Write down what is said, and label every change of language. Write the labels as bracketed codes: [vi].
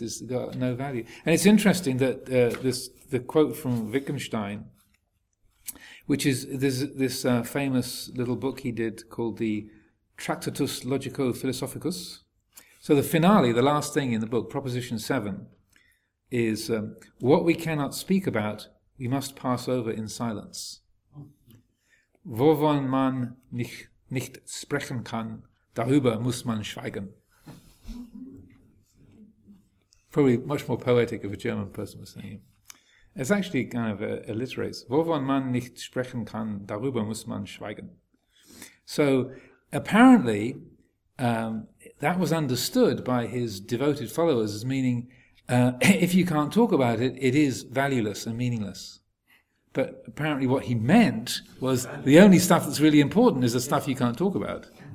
[en] It's got no value. And it's interesting that the quote from Wittgenstein, which is this famous little book he did called the Tractatus Logico-Philosophicus. So the finale, the last thing in the book, Proposition 7, is what we cannot speak about, we must pass over in silence. [de] Wo von man nicht sprechen kann, darüber muss man schweigen. [en] Probably much more poetic if a German person was saying it. It's actually kind of alliterates. [de] Wo von man nicht sprechen kann, darüber muss man schweigen. [en] So apparently, that was understood by his devoted followers as meaning, if you can't talk about it, it is valueless and meaningless. But apparently what he meant was, the only stuff that's really important is the stuff you can't talk about.